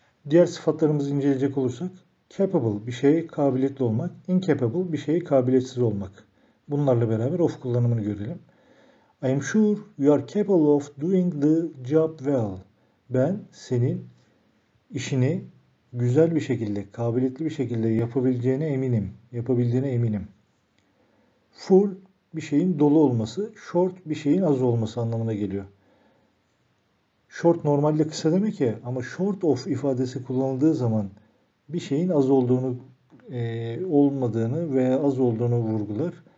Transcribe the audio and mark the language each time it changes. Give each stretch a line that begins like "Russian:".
Turkish: Diğer sıfatlarımızı inceleyecek olursak, capable, bir şeye kabiliyetli olmak, incapable, bir şeye kabiliyetsiz olmak. Bunlarla beraber of kullanımını görelim.
English: I am sure you are capable of doing the job well.
Turkish: Ben senin işini güzel bir şekilde, kabiliyetli bir şekilde yapabileceğine eminim. Yapabildiğine eminim. Full, bir şeyin dolu olması, short bir şeyin az olması anlamına geliyor. Short normalde kısa demek ya, ama short of ifadesi kullanıldığı zaman bir şeyin az olduğunu, olmadığını veya az olduğunu vurgular.